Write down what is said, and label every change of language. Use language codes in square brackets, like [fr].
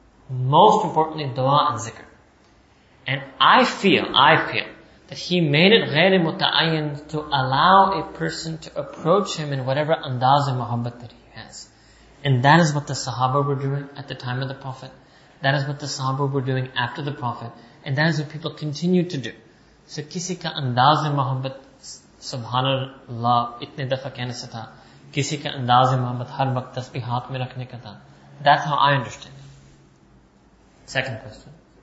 [en] Most importantly, dua and zikr. And I feel, that he made it ghayri muta'ayyan to allow a person to approach him in whatever andaz of muhabbat that he has. And that is what the sahaba were doing at the time of the Prophet. That is what the sahaba were doing after the Prophet. And that is what people continue to do. [ur] So کسی کا انداز of محبت, سبحان اللہ, اتنے دفعہ کہنے سے تھا. کسی کا انداز of محبت, ہر وقت تسبیح ہاتھ میں رکھنے کا تھا. [en] That's how I understand. Second question.